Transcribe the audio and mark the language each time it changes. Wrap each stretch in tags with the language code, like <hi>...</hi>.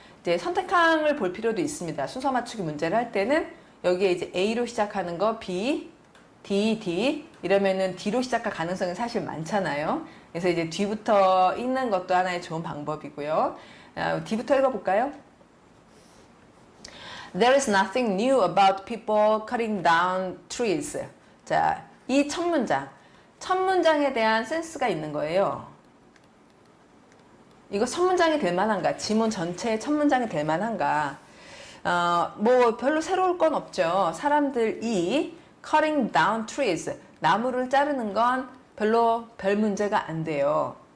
<ko>이제 선택항을 볼 필요도 있습니다. 순서 맞추기 문제를 할 때는 여기에 이제 A로 시작하는 거 B, D, D 이러면은 D로 시작할 가능성이 사실 많잖아요. 그래서 이제 뒤부터 읽는 것도 하나의 좋은 방법이고요. 뒤부터 읽어볼까요?</ko> <en>There is nothing new about people cutting down trees.</en> <ko>자, 이첫 문장. 첫 문장에 대한 센스가 있는 거예요. 이거 첫 문장이 될 만한가? 지문 전체의 첫 문장이 될 만한가? 뭐 별로 새로운 건 없죠. 사람들이</ko> <en>cutting down trees,</en> <ko>나무를 자르는 건 별로 별 문제가 안 돼요.</ko>